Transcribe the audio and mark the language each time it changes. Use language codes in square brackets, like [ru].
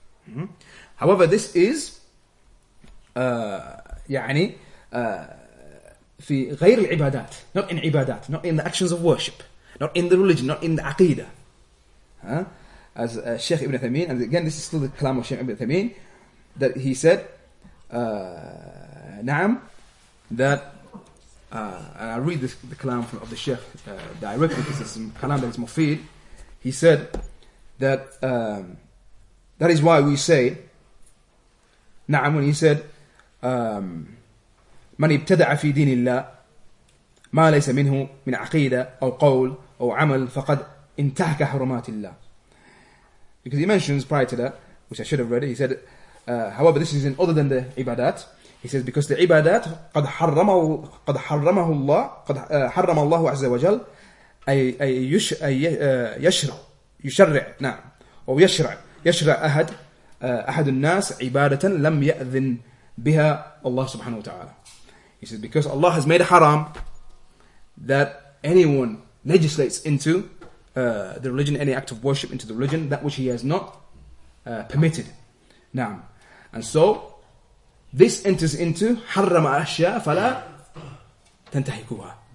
[en] Mm-hmm. However, this is يعني [ar] في غير العبادات, [en] not in عبادات, not in the actions of worship, not in the religion, not in the aqidah. Huh? As Sheikh Ibn Thamin, and again, this is still the kalam of Sheikh Ibn Thamin, that he said, نعم, that and I read this, the kalam of the Sheikh directly because it's some kalam that is mufid. He said that that is why we say [ar] نعم, [en] when he said [ar] من ابتدع في دين الله ما ليس منه من عقيدة أو قول أو عمل فقد انتهك حرمات الله. [en] Because he mentions prior to that, which I should have read it, he said however this is in other than the ibadat. He says, because the ibadat, [ar] قد حرمه الله, قد حرم الله عز وجل, يشرع, نعم, أو يشرع, يشرع أحد, أحد الناس عبادة لم يأذن بها الله سبحانه وتعالى. [en] He says, because Allah has made a haram that anyone legislates into the religion, any act of worship into the religion, that which he has not permitted. نعم. And so, this enters into [ar] حَرَّمَ أَشْيَاءَ فَلَا تَنْتَحِكُوهَا.